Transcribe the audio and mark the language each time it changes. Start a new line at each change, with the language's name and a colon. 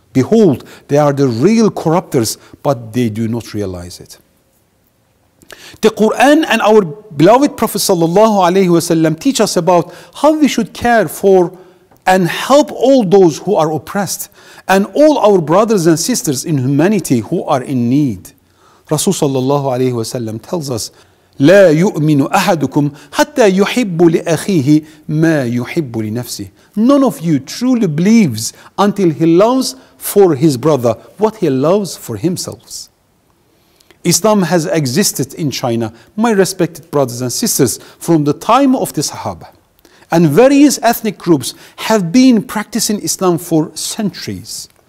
English: Behold, they are the real corruptors, but they do not realize it. The Quran and our beloved Prophet sallallahu alaihi wasallam teach us about how we should care for and help all those who are oppressed and all our brothers and sisters in humanity who are in need. Rasul sallallahu alaihi wasallam tells us,
Arabic: لا يؤمن أحدكم حتى يحب لأخيه ما يحب لنفسه.
English: None of you truly believes until he loves for his brother what he loves for himself. Islam has existed in China, my respected brothers and sisters, from the time of the Sahaba. And various ethnic groups have been practicing Islam for centuries.